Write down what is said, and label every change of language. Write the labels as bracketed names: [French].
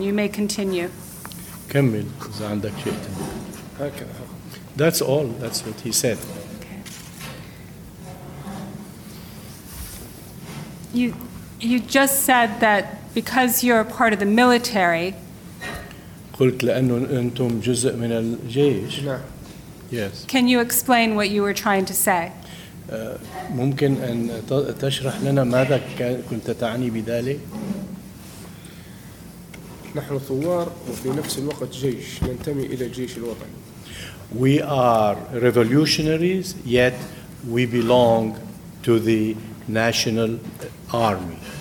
[English] You may continue. [Arabic] كمل إذا عندك شيء. [English] That's all. That's what he said. Okay. You just said that because you're a part of the military. [Arabic] قلت لأنه أنتم جزء من الجيش. نعم. [English] Yes. Can you explain what you were trying to say? [Arabic] ممكن أن تشرح لنا ماذا كنت تعني بذلك؟ نحن ثوار وفي نفس الوقت جيش ننتمي إلى الجيش الوطني. [English] We are revolutionaries, yet we belong to the national army.